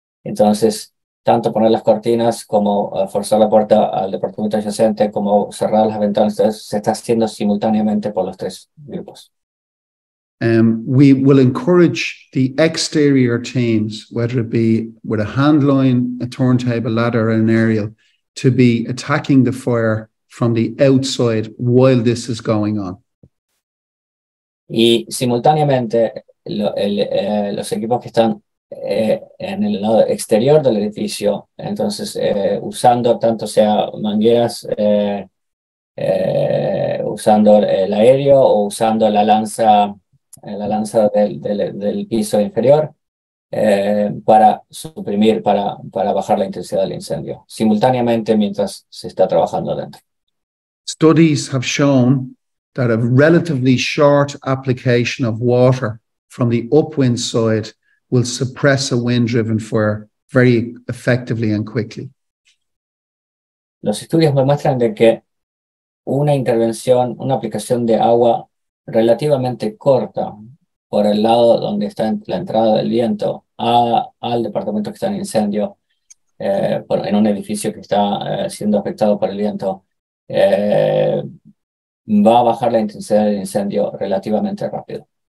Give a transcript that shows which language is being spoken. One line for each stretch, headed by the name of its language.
Spanish: Entonces, tanto poner las cortinas como forzar la puerta al departamento adyacente como cerrar las ventanas, se está haciendo simultáneamente por los tres grupos.
English: We will encourage the exterior teams, whether it be with a handline, a turntable, ladder, or an aerial, to be attacking the fire from the outside while this is going on.
Spanish: Y simultáneamente los equipos que están en el lado exterior del edificio, entonces usando tanto sea mangueras, usando el aéreo o usando la lanza del piso inferior para suprimir, para bajar la intensidad del incendio, simultáneamente mientras se está trabajando dentro.
English: Studies have shown that a relatively short application of water from the upwind side will suppress a wind-driven fire very effectively and quickly.
Spanish: Los estudios me muestran de que una intervención, una aplicación de agua relativamente corta por el lado donde está la entrada del viento al departamento que está en incendio, en un edificio que está siendo afectado por el viento, va a bajar la intensidad del incendio relativamente rápido.